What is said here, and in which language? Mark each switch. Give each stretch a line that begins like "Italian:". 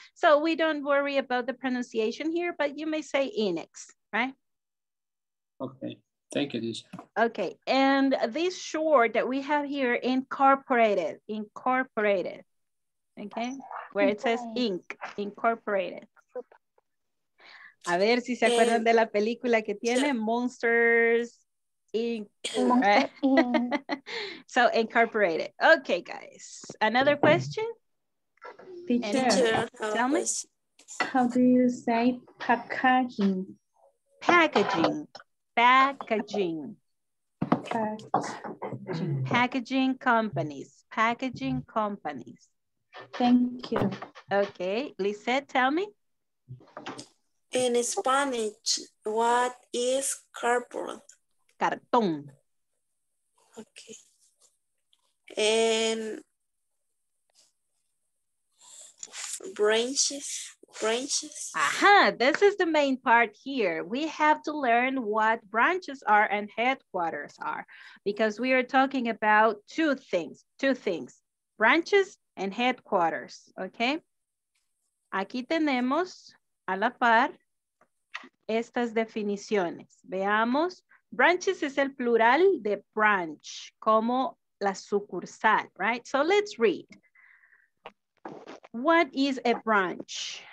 English: So, we don't worry about the pronunciation here, but you may say INSCRIBETE, right? Okay. Thank you, Lisa. Okay, and this short that we have here, incorporated, okay? Where it says ink, incorporated.
Spanish: A ver si se acuerdan de la película que tiene, Monsters, Ink, Monster, right?
English: So, incorporated. Okay, guys, another question? Teacher, tell me. How do you say packaging? Packaging. Packaging. Packaging companies. Packaging companies. Thank you. Okay. Lisette, tell me. In Spanish, what is cardboard?
Spanish: Cartón.
English: Okay. And branches. Branches. Aha, this is the main part here. We have to learn what branches are and headquarters are because we are talking about two things, branches and headquarters, okay?
Spanish: Aquí tenemos a la par estas definiciones. Veamos, branches es el plural de branch, como la sucursal,
English: right? So let's read. What is a branch?